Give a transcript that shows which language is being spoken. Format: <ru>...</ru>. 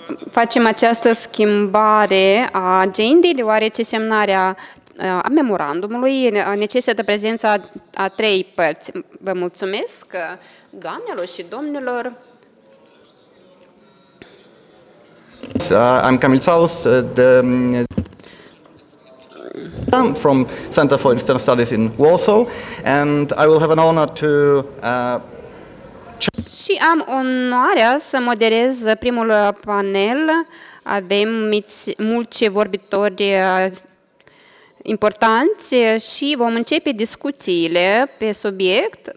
<ro>Facem această schimbare a agendei, deoarece semnarea a memorandumului necesită prezența a trei părți. Vă mulțumesc, doamnelor și domnilor.</ro> <en>I'm Camille Saus, I'm from Center for Eastern Studies in Warsaw, and I will have an honor to.</en> <ro>Și am onoarea să moderez primul panel. Avem mulți vorbitori importanți și vom începe discuțiile pe subiect.</ro>